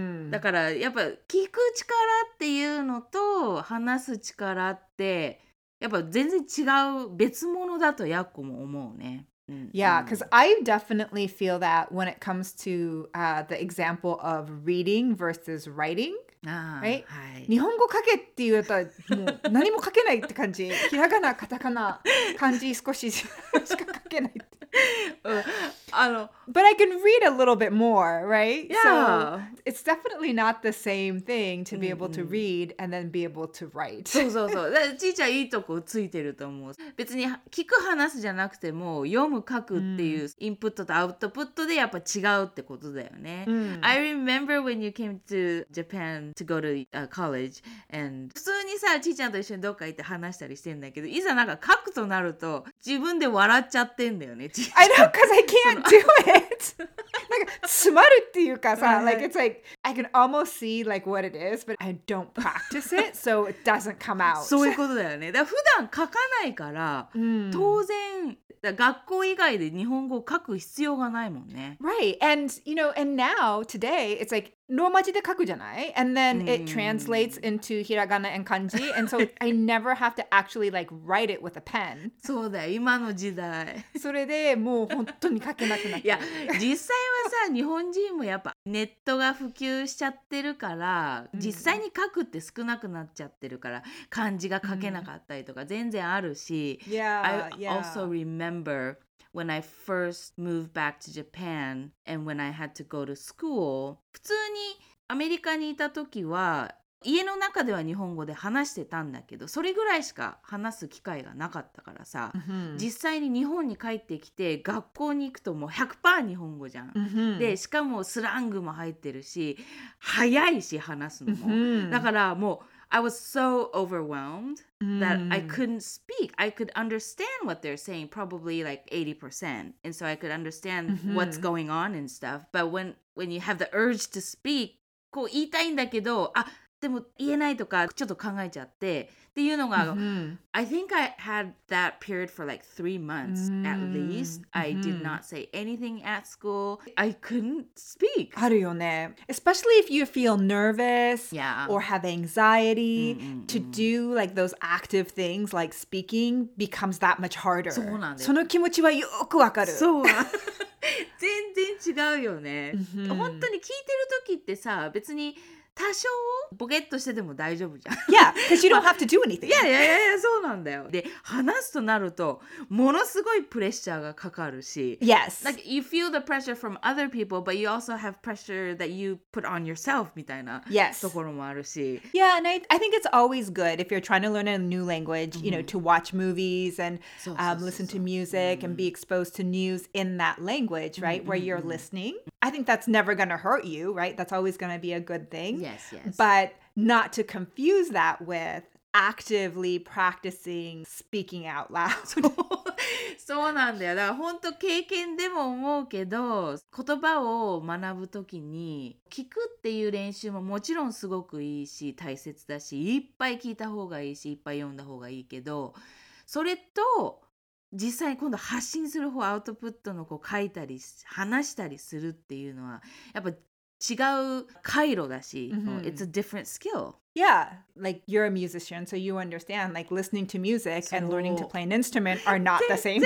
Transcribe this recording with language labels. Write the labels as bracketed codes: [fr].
[ja] だからやっぱ聞く力っていうのと話す力ってやっぱ全然違う別物だとやっこも思うね。 [en] Yeah, because I definitely feel that when it comes to the example of reading versus writing, right? [ja] 日本語書けって言うと、もう何も書けないって感じ。ひらがな、カタカナ、漢字少ししか書けないって。 [en] But I can read a little bit more, right? Yeah. So it's definitely not the same thing to be able to read and then be able to write. [ja] そうそうそう。だからちーちゃんいいとこついてると思う。別に聞く話すじゃなくても読む書くっていうインプットとアウトプットでやっぱ違うってことだよね。 [en] I remember when you came to Japan to go to college and [ja] 普通にさちーちゃんと一緒にどっか行って話したりしてんだけど、いざなんか書くとなると自分で笑っちゃってんだよね。 [en] I know, because I can't do it. Like, [ja] 詰まるっていうかさ, [en] like, it's like, I can almost see, like, what it is, but I don't practice it, so it doesn't come out. [ja] そういうことだよね。だから普段書かないから、当然、だから学校以外で日本語を書く必要がないもんね。 [en] Right, and, you know, and now, today, it's like, [ja] ローマ字で書くじゃない? [en] And then it translates into hiragana and kanji, and so I never have to actually, like, write it with a pen. [ja] そうだよ、今の時代。それでもう本当に書けなくなって。いや、実際はさ、日本人もやっぱネットが普及しちゃってるから、実際に書くって少なくなっちゃってるから、漢字が書けなかったりとか全然あるし、 [en] Yeah. I also remember... When I first moved back to Japan and when I had to go to school, [ja] 普通にアメリカにいた時は家の中では日本語で話してたんだけど、それぐらいしか話す機会がなかったからさ、実際に日本に帰ってきて学校に行くともう 100% 日本語じゃん。で、しかもスラングも入ってるし、早いし話すのも。だからもう、 [en] I was so overwhelmed that I couldn't speak. I could understand what they're saying, probably like 80%. And so I could understand what's going on and stuff. But when you have the urge to speak, [ja] こう言いたいんだけど、あ、でも言えないとかちょっと考えちゃってっていうのが、 [en] I think I had that period for like 3 months at least. I did not say anything at school. I couldn't speak. [ja] あるよね。 [en] Especially if you feel nervous or have anxiety, to do like those active things like speaking becomes that much harder. [ja] そうなんです。その気持ちはよくわかる。そう。全然違うよね。本当に聞いてる時ってさ、別に多少ポケットしてても大丈夫じゃん。 [en] Yeah, because you don't have to do anything. [ja] Yeah, そうなんだよ。で、話すとなると、ものすごいプレッシャーがかかるし。 [en] Yes. Like, you feel the pressure from other people, but you also have pressure that you put on yourself, みたいな、 yes. [ja] ところもあるし。 [en] Yeah, and I think it's always good if you're trying to learn a new language, you know, to watch movies and listen to music and be exposed to news in that language, right, where you're listening. I think that's never going to hurt you, right? That's always going to be a good thing. Yes, yes. But not to confuse that with actively practicing speaking out loud. [ja] そうなんだよ。だから本当経験でも思うけど、言葉を学ぶときに聞くっていう練習ももちろんすごくいいし大切だし、いっぱい聞いた方がいいし、いっぱい読んだ方がいいけど、それと実際に今度発信する方、アウトプットのこう書いたり話したりするっていうのはやっぱ違う回路だし、mm-hmm. [en] It's a different skill. Yeah, like you're a musician, so you understand like listening to music and learning to play an instrument are not the same thing.